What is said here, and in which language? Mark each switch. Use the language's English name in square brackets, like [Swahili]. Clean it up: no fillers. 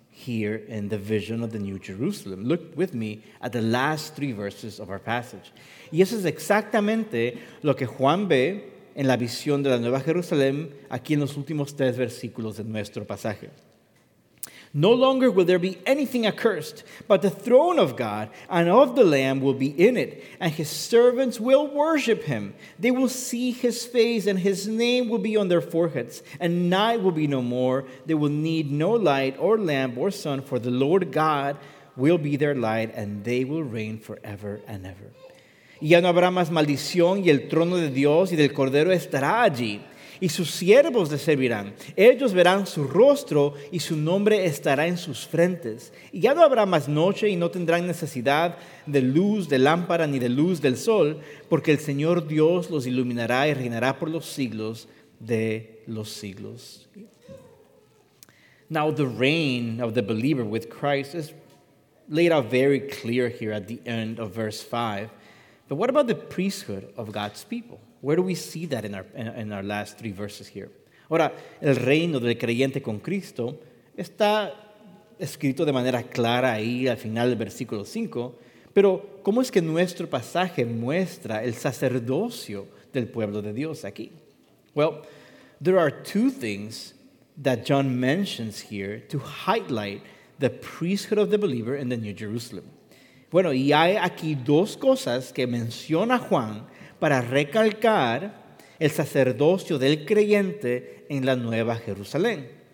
[English] here in the vision of the New Jerusalem. Look with me at the last three verses of our passage. [Spanish] Y eso es exactamente lo que Juan ve en la visión de la Nueva Jerusalén aquí en los últimos tres versículos de nuestro pasaje. [English] No longer will there be anything accursed, but the throne of God and of the Lamb will be in it, and his servants will worship him. They will see his face, and his name will be on their foreheads, and night will be no more. They will need no light or lamp or sun, for the Lord God will be their light, and they will reign forever and ever. [Spanish] Y ya no habrá más maldición, y el trono de Dios y del Cordero estará allí. Y sus siervos le servirán. Ellos verán su rostro y su nombre estará en sus frentes. Y ya no habrá más noche y no tendrán necesidad de luz, de lámpara ni de luz del sol, porque el Señor Dios los iluminará y reinará por los siglos de los siglos. [English] Now the reign of the believer with Christ is laid out very clear here at the end of verse 5. But what about the priesthood of God's people? Where do we see that in our last three verses here? [Spanish] Ahora, el reino del creyente con Cristo está escrito de manera clara ahí al final del versículo 5, pero ¿cómo es que nuestro pasaje muestra el sacerdocio del pueblo de Dios aquí? [English] Well, there are two things that John mentions here to highlight the priesthood of the believer in the New Jerusalem. [Spanish] Bueno, y hay aquí dos cosas que menciona Juan para recalcar el sacerdocio del creyente en la Nueva Jerusalén.